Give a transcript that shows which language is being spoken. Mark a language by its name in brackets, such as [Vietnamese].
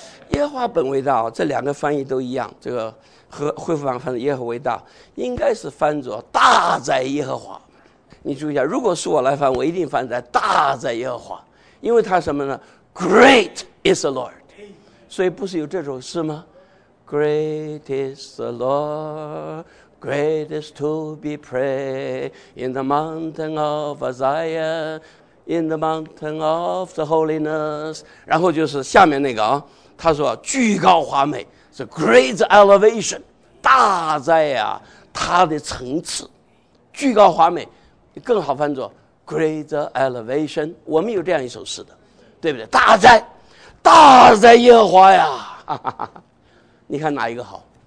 [Chinese] 耶和华本为大，这两个翻译都一样，这个和恢复版翻译耶和为大，应该是翻作大在耶和华。你注意一下，如果是我来翻，我一定翻在大在耶和华，因为他什么呢？ [English] Great is the Lord. [Chinese] 所以不是有这首诗吗？ [English] Great is the Lord, great is to be praised in the mountain of Zion, in the mountain of the holiness. [Chinese] 然后就是下面那个啊，他说居高华美，是 [English] great elevation, [Chinese] 大在啊他的层次。居高华美更好翻作 [English] great elevation. [Chinese] 我们有这样一首诗的，对不对？大哉，大哉耶和华呀！你看哪一个好？